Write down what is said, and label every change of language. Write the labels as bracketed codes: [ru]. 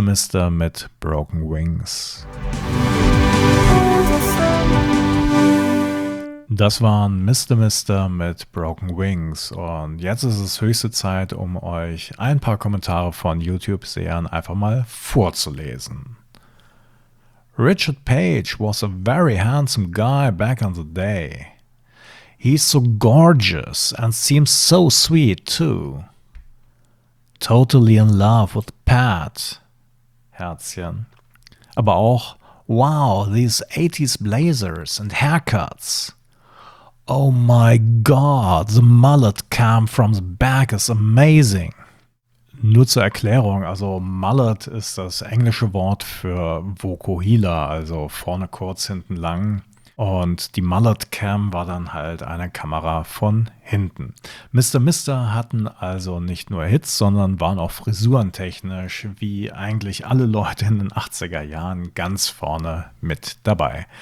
[de] Mister mit Broken Wings. Das waren Mr. Mister mit Broken Wings und jetzt ist es höchste Zeit, um euch ein paar Kommentare von YouTube-Sehern einfach mal vorzulesen. [en] Richard Page was a very handsome guy back in the day. He's so gorgeous and seems so sweet too. Totally in love with Pat. Herzchen. [de] Aber auch, [en] wow, these 80s blazers and haircuts. Oh my God, the mullet cam from the back is amazing. [de] Nur zur Erklärung, also mullet ist das englische Wort für Vokuhila, also vorne kurz, hinten lang. Und die Mullet Cam war dann halt eine Kamera von hinten. Mr. Mister hatten also nicht nur Hits, sondern waren auch frisurentechnisch, wie eigentlich alle Leute in den 80er Jahren, ganz vorne mit dabei.